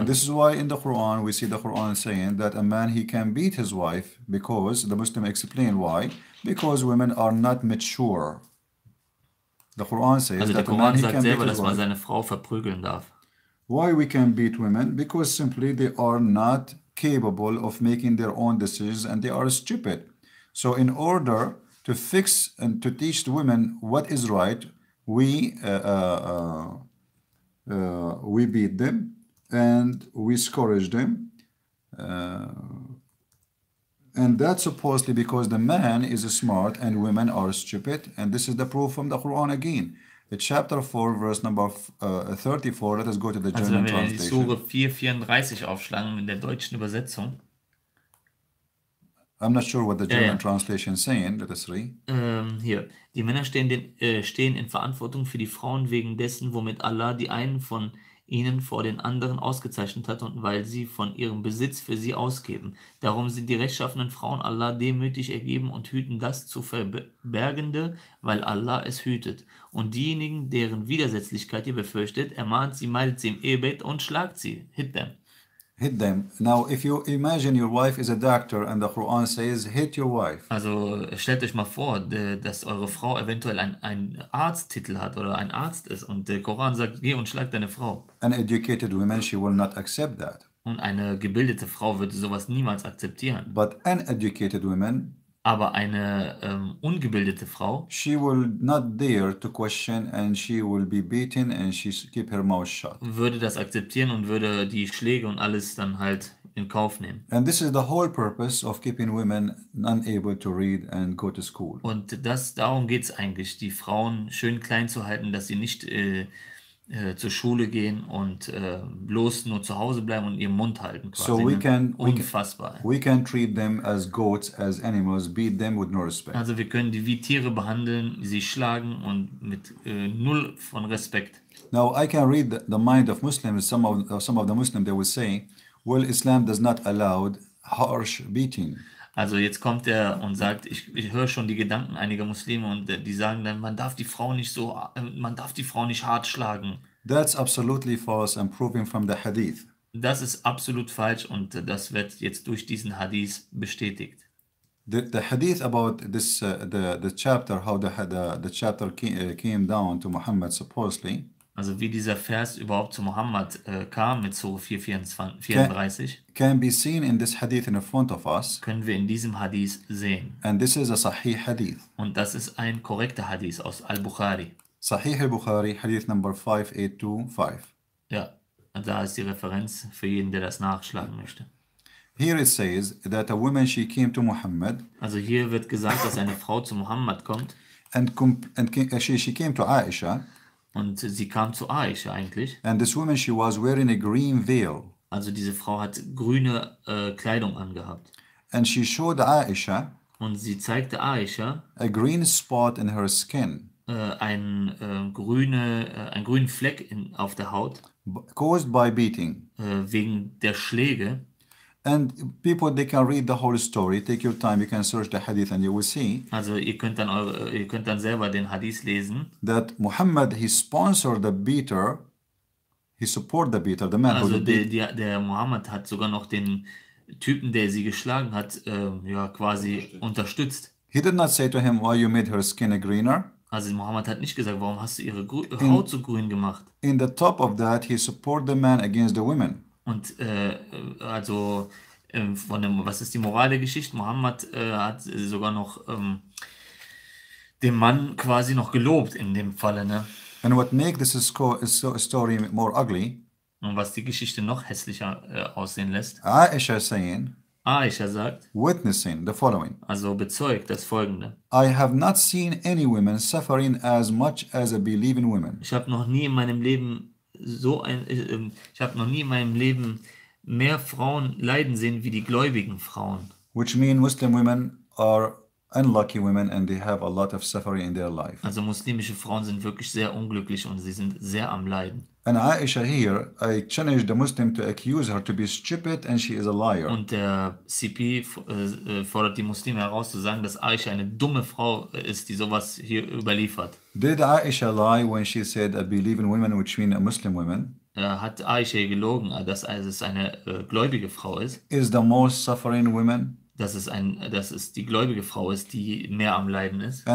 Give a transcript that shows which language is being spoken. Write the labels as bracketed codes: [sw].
[en] And this is why in the Quran we see the Quran saying that a man he can beat his wife because the Muslim explain why, because women are not mature. The Quran says also that [de] der Koran sagt selber, dass man seine Frau verprügeln darf. [en] Why we can beat women? Because simply they are not capable of making their own decisions and they are stupid. So in order to fix and to teach the women what is right, we beat them and we scourge them. And that's supposedly because the man is smart and women are stupid. And this is the proof from the Quran again. Chapter 4, verse number 34. Let us go to the German translation. [de] Also wenn wir die Sure 4:34 aufschlagen in der deutschen Übersetzung. [en] I'm not sure what the German translation is saying. Let us read. [de] Hier. Die Männer stehen in Verantwortung für die Frauen wegen dessen, womit Allah die einen von ihnen vor den anderen ausgezeichnet hat und weil sie von ihrem Besitz für sie ausgeben. Darum sind die rechtschaffenen Frauen Allah demütig ergeben und hüten das zu Verbergende, weil Allah es hütet. Und diejenigen, deren Widersetzlichkeit ihr befürchtet, ermahnt sie, meidet sie im Ehebett und schlagt sie. [en] Hit them. Hit them. Now, if you imagine your wife is a doctor and the Quran says, hit your wife. [de] Also, stellt euch mal vor, dass eure Frau eventuell ein Arzttitel hat oder ein Arzt ist und der Koran sagt, geh und schlag deine Frau. [en] An educated woman, she will not accept that. [de] Und eine gebildete Frau würde sowas niemals akzeptieren. [en] But an educated woman, [de] aber eine ungebildete Frau, [en] she will not dare to question and she will be beaten and she keep her mouth shut, [de] würde das akzeptieren und würde die Schläge und alles dann halt in Kauf nehmen. [en] And this is the whole purpose of keeping women unable to read and go to school. [de] Und das darum geht's eigentlich, die Frauen schön klein zu halten, dass sie nicht zur Schule gehen und bloß nur zu Hause bleiben und ihren Mund halten quasi. [en] So we can, [de] unfassbar. [en] We can treat them as goats, as animals, beat them with no respect. [de] Also wir können die wie Tiere behandeln, sie schlagen und mit null von Respekt. [en] Now I can read the mind of Muslims, some of the Muslims, they will say, well, Islam does not allow harsh beating. [de] Also jetzt kommt er und sagt, ich höre schon die Gedanken einiger Muslime und die sagen dann, man darf die Frau nicht so, man darf die Frau nicht hart schlagen. [en] That's absolutely false and proven from the Hadith. [de] Das ist absolut falsch und das wird jetzt durch diesen Hadith bestätigt. [en] The Hadith about this the chapter, how the chapter came down to Muhammad supposedly. [de] Also wie dieser Vers überhaupt zu Muhammad kam mit Sure 4:34. [en] Can be seen in this hadith in front of us. [de] Können wir in diesem Hadith sehen. [en] And this is a sahih hadith. [de] Und das ist ein korrekter Hadith aus Al-Bukhari. [en] Sahih Al-Bukhari, hadith number 5825. [de] Ja, da ist die Referenz für jeden, der das nachschlagen möchte. [en] Here it says that a woman, she came to Muhammad. [de] Also hier wird gesagt, dass eine Frau zu Muhammad kommt. [en] And she came to Aisha. [de] Und sie kam zu Aisha eigentlich. [en] And this woman, she was wearing a green veil. [de] Also diese Frau hat grüne Kleidung angehabt. [en] And she showed Aisha. [de] Und sie zeigte Aisha [en] a green spot in her skin, [de] einen grünen Fleck auf der Haut, [en] caused by beating, [de] wegen der Schläge. [en] And people, they can read the whole story. Take your time. You can search the hadith, and you will see. [de] Also, ihr könnt dann selber den Hadith lesen. [en] That Muhammad, he sponsored the beater. He supported the beater, the man. [de] Also, der Muhammad hat sogar noch den Typen, der sie geschlagen hat, quasi unterstützt. [en] He did not say to him, "Why you made her skin a greener?" [de] Also, Muhammad hat nicht gesagt, warum hast du ihre Haut so grün gemacht? [en] In the top of that, he supported the man against the women. [de] Und was ist die morale Geschichte? Muhammad hat sogar noch den Mann quasi noch gelobt in dem Falle, ne? [en] And what make this story more ugly? [de] Und was die Geschichte noch hässlicher aussehen lässt? [en] Aisha saying. [de] Aisha sagt. [en] Witnessing the following. [de] Also bezeugt das Folgende. [en] I have not seen any women suffering as much as a believing woman. [de] Ich habe noch nie in meinem Leben mehr Frauen leiden sehen wie die gläubigen Frauen. [en] Which mean Muslim women are unlucky women and they have a lot of suffering in their life. [de] Also muslimische Frauen sind wirklich sehr unglücklich und sie sind sehr am Leiden. [en] And Aisha here, I challenge the Muslim to accuse her to be stupid and she is a liar. [de] Und der CP fordert die Muslime heraus zu sagen, dass Aisha eine dumme Frau ist, die sowas hier überliefert. [en] Did Aisha lie when she said a believing woman, which means a Muslim woman? [de] Hat Aisha gelogen, dass es eine gläubige Frau ist? [en] Is the most suffering woman? [de] Dass es die gläubige Frau ist, die mehr am Leiden ist.